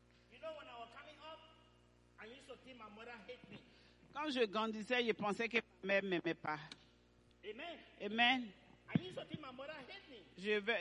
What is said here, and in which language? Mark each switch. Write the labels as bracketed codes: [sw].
[en] You know, when I was coming up, I used to think my mother hate me. [fr] Quand je grandissais, je pensais que ma mère ne m'aimait pas. Amen. Amen. [en] I used to think my mother hate me.